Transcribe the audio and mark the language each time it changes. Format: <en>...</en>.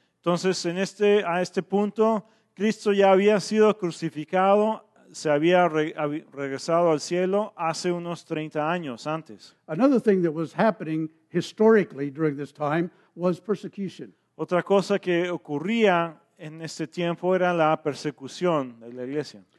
<es>Entonces, a este punto, Cristo ya había sido crucificado, se había regresado al cielo hace unos 30 años antes.</es> <en>Another thing that was happening historically during this time was persecution.</en> <es>Otra cosa que ocurría en este tiempo era la persecución de la iglesia.</es>